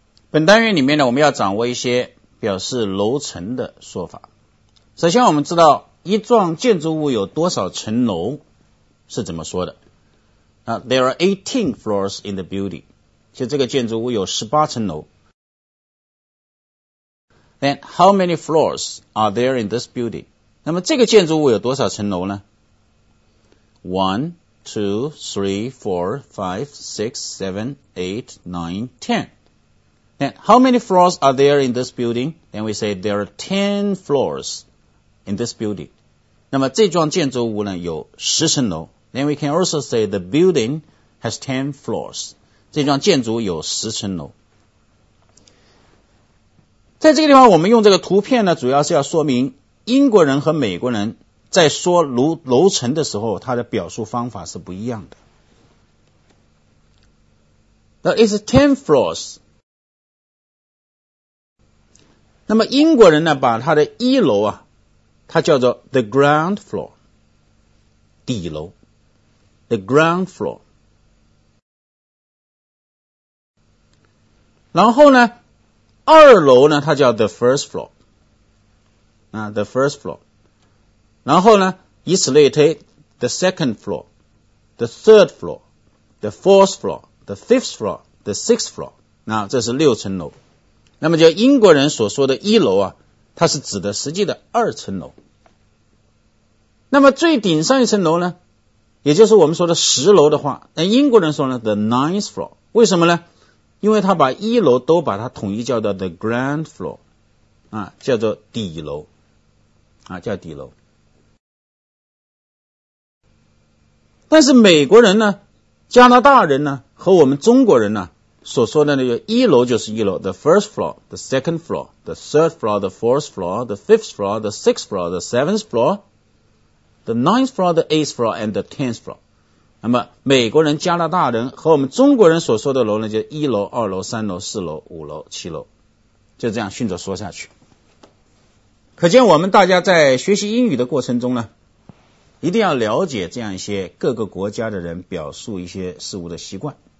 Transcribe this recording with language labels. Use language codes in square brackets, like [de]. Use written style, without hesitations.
[zh] 本单元里面呢，我们要掌握一些表示楼层的说法。首先我们知道一幢建筑物有多少层楼是怎么说的啊， [en] There are 18 floors in the building， [zh] 就这个建筑物有18层楼。 [en] Then, how many floors are there in this building? [zh] 那么这个建筑物有多少层楼呢？ [en] 1, 2, 3, 4, 5, 6, 7, 8, 9, 10. Then, how many floors are there in this building? Then we say there are 10 floors in this building. [zh] 那么这幢建筑物呢有10层楼。 [en] Then we can also say the building has 10 floors. [zh] 这幢建筑有10层楼。在这个地方我们用这个图片呢，主要是要说明英国人和美国人在说楼层的时候，它的表述方法是不一样的。 [en] Now, it's 10 floors. [zh] 那么英国人呢，把它的一楼啊，它叫做 [en] the ground floor， [zh] 底楼， the ground floor。然后呢二楼呢，它叫 [en] the first floor， [zh] 啊 the first floor， 然后呢以此类推 [en] the second floor, the third floor, the fourth floor, the fifth floor, the sixth floor, [zh] 那这是六层楼。那么就英国人所说的一楼啊，它是指的实际的二层楼。那么最顶上一层楼呢，也就是我们说的十楼的话，那英国人说呢 [en] the ninth floor, [zh] 为什么呢？因为他把一楼都把它统一叫做 [en] the ground floor, [zh] 啊，叫做底楼，啊，叫底楼。但是美国人呢，加拿大人呢，和我们中国人呢所说的那个一楼就是一楼 [en] ，the first floor, the second floor, the third floor, the fourth floor, the fifth floor, the sixth floor, the seventh floor, the ninth floor, the eighth floor, and the tenth floor。 [zh] 那么美国人、加拿大人和我们中国人所说的楼呢，就一楼、二楼、三楼、四楼、五楼、七楼，就这样迅速说下去。可见我们大家在学习英语的过程中呢，一定要了解这样一些各个国家的人表述一些事物的习惯。